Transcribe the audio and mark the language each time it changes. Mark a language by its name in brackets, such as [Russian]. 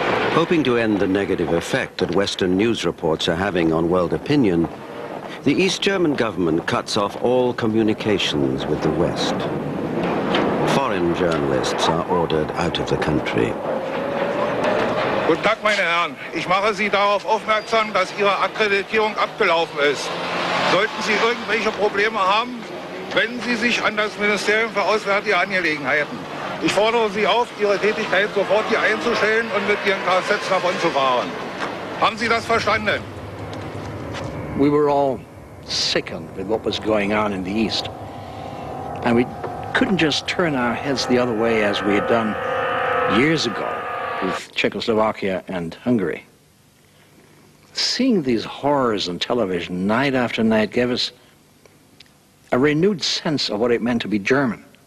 [English] Hoping to end the negative effect that Western news reports are having on world opinion, the East German government cuts off all communications with the West. Foreign journalists are ordered out of the country. [German] Guten Tag, meine Herren. Ich mache Sie darauf aufmerksam, dass Ihre Akkreditierung abgelaufen ist. Sollten Sie irgendwelche Probleme haben, wenden Sie sich an das Ministerium für Auswärtige Angelegenheiten. Ich fordere Sie auf, Ihre Tätigkeit sofort hier einzustellen und mit Ihren KZs davonzufahren. Haben Sie das verstanden? [English] We were all sickened with what was going on in the East. And we couldn't just turn our heads the other way as we had done years ago with Czechoslovakia and Hungary. Seeing these horrors on television night after night gave us a renewed sense of what it meant to be German.